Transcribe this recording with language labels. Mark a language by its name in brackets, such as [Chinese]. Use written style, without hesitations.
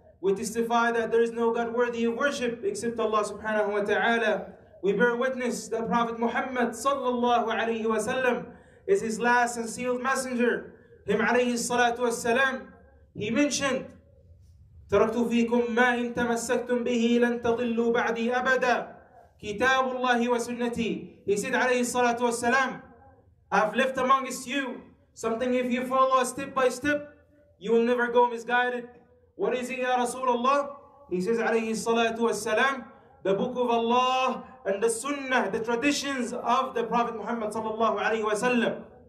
[English] We testify that there is no God worthy of worship except Allah subhanahu wa ta'ala. We bear witness that Prophet Muhammad sallallahu alayhi wa sallam is his last and sealed messenger. Him alayhi salatu wa salam. He mentioned, [Arabic] تَرَكْتُ فِيكُمْ مَا إِن تَمَسَّكْتُمْ بِهِ لَن تَضِلُّوا بَعْدِي أَبَدًا كِتَابُ اللَّهِ وَسُنَّتِي. [English] He said alayhi salatu wa salam, I've left amongst you something if you follow step by step, you will never go misguided. What is it, Ya Rasulullah? He says, alayhi salatu wassalam, the book of Allah and the sunnah, the traditions of the Prophet Muhammad sallallahu alayhi wa sallam.